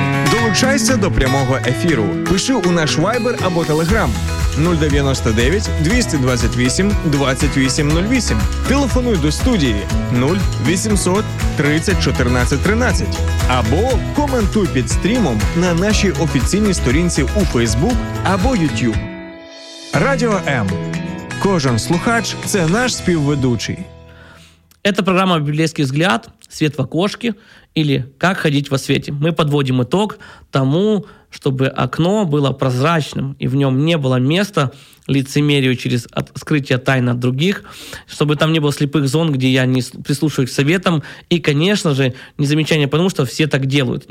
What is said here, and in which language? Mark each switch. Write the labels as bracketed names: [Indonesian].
[Ukrainian] Долучайся до прямого ефіру. Пиши у наш Viber або Telegram 099-228-2808. Телефонуй до студії 0800-30-14-13 або коментуй під стрімом на нашій офіційній сторінці у Facebook або YouTube. Радіо М. Кожен слухач – це наш співведучий. Це програма «Біблійський взгляд. Світ в окошці» [Russian] или «Как ходить во свете». Мы подводим итог тому, чтобы окно было прозрачным, и в нем не было места лицемерию через открытие тайн от других, чтобы там не было слепых зон, где я не прислушиваюсь к советам, и, конечно же, не замечание, потому что все так делают.